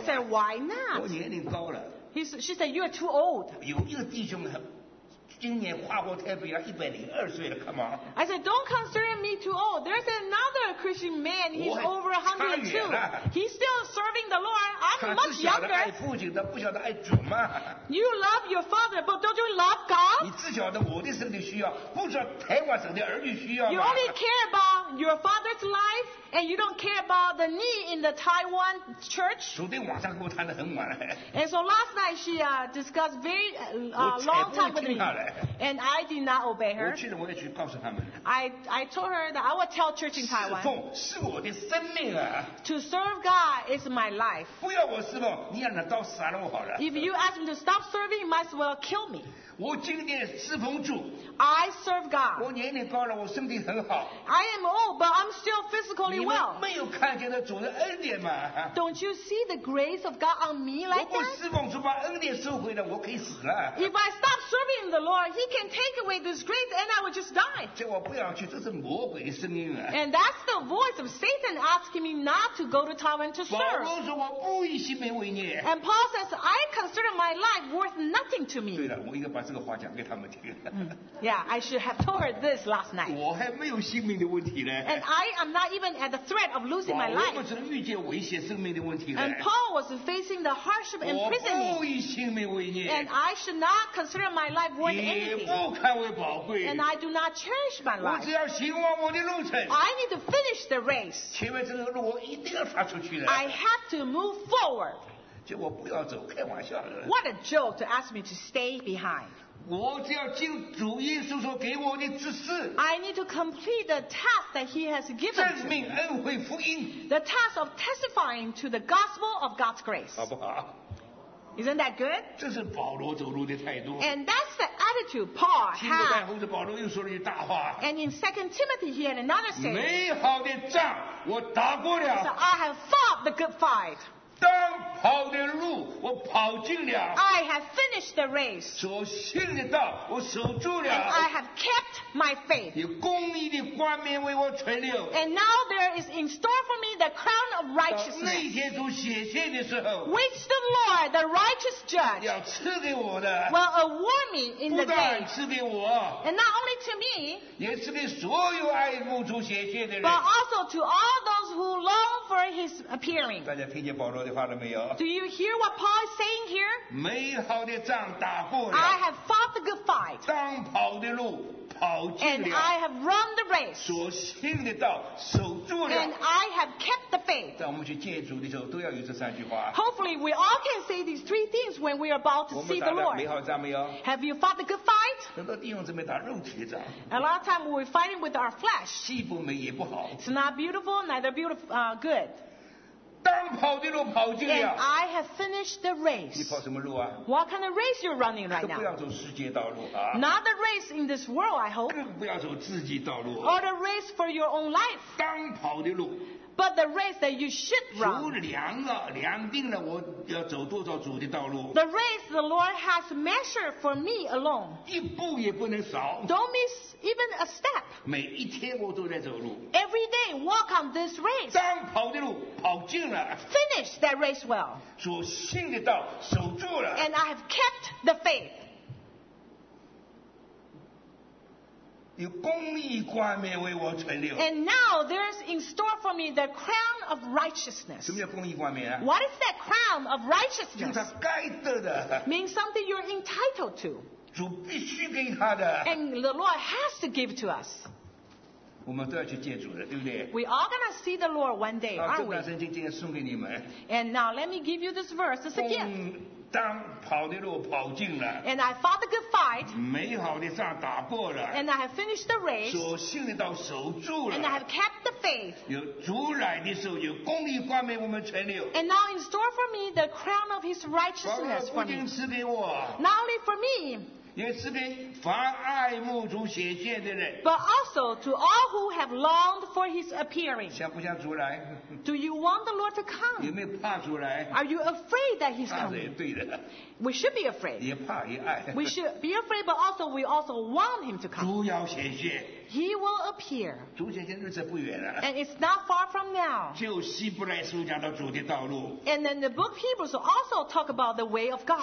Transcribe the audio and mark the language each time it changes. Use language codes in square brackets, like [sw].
[en] ？I said, why not? [zh] 我年龄高了。 [en] She said, you are too old. [zh] 有一个弟兄很。今年跨过太平洋102岁了 [en] come on. I said, don't consider me too old. There's another Christian man, he's over 102. He's still serving the Lord. I'm much younger. [zh] 他只晓得爱父亲，他不晓得爱主嘛。 [en] You love your father, but don't you love God? [zh] 你只晓得我的身体需要，不知道台湾省的儿女需要吗？ [en] You only care about your father's life, and you don't care about the need in the Taiwan church. [zh] 昨天晚上跟我谈得很晚了。 [en] And so last night she discussed very long time with me, and I did not obey her. [zh] 我去了，我也去告诉他们。 [en] I told her that I would tell church in Taiwan. [zh] 侍奉是我的生命啊。 [en] To serve God is my life. [zh] 不要我侍奉，你让他刀杀了我好了。 [en] If you ask me to stop serving, you might as well kill me. [zh] 我今天侍奉主。 [en] I serve God. [zh] 我年龄高了，我身体很好。 [en] I am old, but I'm still physically well. [zh] 你们没有看见那主的恩典吗？ [en] Don't you see the grace of God on me like that? [zh] 我不侍奉主，把恩典收回来，我可以死了。 [en] If I stop serving the Lord, He can take away this grace, and I will just die. [zh] 这我不要去，这是魔鬼的声音啊。 [en] And that's the voice of Satan asking me not to go to Taiwan to serve. [zh] 保罗说我不以性命为念。 [en] And Paul says I consider my life worth nothing to me. [zh] 对了，我应该把这个话讲给他们听。 [en] Yeah, I should have told her this last night. [zh] 我还没有性命的问题呢。 [en] And I am not even at the threat of losing my life. [zh] 我正遇见危险生命的问题呢。 [en] And Paul was facing the hardship and imprisonment. [zh] 我不以性命为念。 [en] And I should not consider my life worth anything. [zh] 也不堪为宝贵。 [en] And I do not cherish my life. [zh] 我只要行完我的路程。 [en] I need to finish the race. [zh] 前面这个路我一定要刷出去的。 [en] I have to move forward. [zh] 结果不要走，开玩笑的。 [en] What a joke to ask me to stay behind. [zh] 我只要尽主耶稣所给我的指示。 [en] I need to complete the task that He has given. [zh] 证明恩惠福音。 [en] The task of testifying to the gospel of God's grace. [zh] 好不好？ [en] Isn't that good? [zh] 这是保罗走路的态度。 [en] And that's the attitude Paul had. [zh] 提摩太后子保罗又说了一句大话。 [en] And in 2 Timothy he had another saying. [zh] 美好的仗我打过了。 [en] He said, I have fought the good fight. [zh] 当跑的路我跑尽了。 [en] I have finished the race. [zh] 所信的道我守住了。 [en] And I have kept my faith. [zh] 以公义的冠冕为我存留。 [en] And now there is in store for me the crown of righteousness. [zh] 那天主显现的时候。 [en] Which the Lord, the righteous judge. [zh] 要赐给我的。 [en] Will award me in the day. [zh] 不但赐给我。 [en] And not only to me. [zh] 也赐给所有爱慕主显现的人。 [en] But also to all those who long for his appearing. [zh] 大家听见保罗。 [en] Do you hear what Paul is saying here? [zh] 美好的仗打过了。 [en] I have fought the good fight. [zh] 当跑的路跑尽了。 [en] And I have run the race. [zh] 所信的道守住了。 [en] And I have kept the faith. [zh] 在我们去见主的时候，都要有这三句话。 [en] Hopefully, we all can say these three things when we are about to see the Lord. [zh] 我们打的美好仗没有？ [en] Have you fought the good fight? [zh] 很多弟兄姊妹打肉体的仗。 [en] A lot of time we're fighting with our flesh. [zh] 既不美也不好。 [en] It's not beautiful, neither beautiful, good. [zh] 当跑的路跑尽了。 [en] And I have finished the race. [zh] 你跑什么路啊？ [en] What kind of race you're running right now? [zh] 不要走世界道路啊。 [en] Not the race in this world, I hope. [zh] 更不要走自己道路。 [en] Or the race for your own life. [zh] 当跑的路。 [en] But the race that you should run. [zh] 主量了，量定了我要走多少主的道路。 [en] The race the Lord has measured for me alone. [zh] 一步也不能少。 [en] Don't miss even a step. [zh] 每一天我都在走路。 [en] Every day walk on this race. [zh] 当跑的路跑尽了。 [en] Finish that race well. [zh] 主信的道守住了。 [en] And I have kept the faith. [zh] 以公义冠冕为我存留。 [en] And now there's in store for me the crown of righteousness. [zh] 什么叫公义冠冕啊？ [en] What is that crown of righteousness? [zh] 就是该得的。 [en] Means something you're entitled to. [zh] 主必须给他的。 [en] And the Lord has to give to us. [zh] 我们都要去见主的，对不对？ [en] We all gonna see the Lord one day, aren't we? [zh] 这段圣经今天送给你们。 [en] And now let me give you this verse as a gift. [zh] 当跑的路跑尽了。 [en] And I fought a good fight. [zh] 美好的仗打过了。 [en] And I have finished the race. [zh] 所信的道守住了。 [en] And I have kept the faith. [zh] 有主来的时候，有公义冠冕我们存留。 [en] And now in store for me the crown of His righteousness for me. [zh] 不仅赐给我。 [en] Not only for me. [zh] 也是给凡爱慕主显现的人。 [en] But also to all who have longed for His appearing. [zh] 想不想主来？ [en] Do you want the Lord to come? [zh] 有没有怕主来？ [en] Are you afraid that He's coming? [zh] 怕是也对的。 [en] We should be afraid. [zh] 也怕也爱。 [en] We should be afraid, but also we also want Him to come. [zh] 主要显现。 [en] He will appear. [zh] 主显现日子不远了。 [en] And it's not far from now. [zh] 就希伯来书讲到主的道路。 [en] And then the book Hebrews also talk about the way of God.